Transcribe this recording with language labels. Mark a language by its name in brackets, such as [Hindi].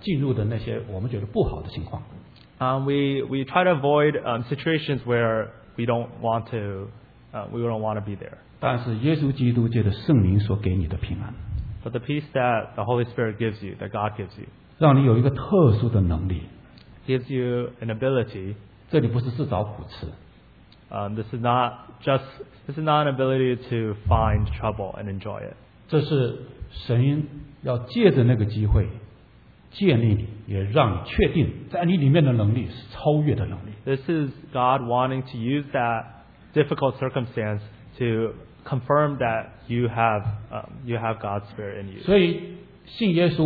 [Chinese] 我们拒绝那些我们不想进入的那些我们觉得不好的情况。 [English] We try to avoid situations where we don't want to be there. [Chinese] 但是耶稣基督借着圣灵所给你的平安。 [English] But the peace that the Holy Spirit gives you, that God gives you, [Chinese] 让你有一个特殊的能力, [English] gives you an ability. [Chinese] 这里不是自找苦吃, [English] this is not an ability to find trouble and enjoy it. [Chinese] 这是神要借着那个机会, 建立你, 也让你确定, 在你里面的能力是超越的能力。 [English] This is God wanting to use that difficult circumstance to confirm that you have God's spirit in you.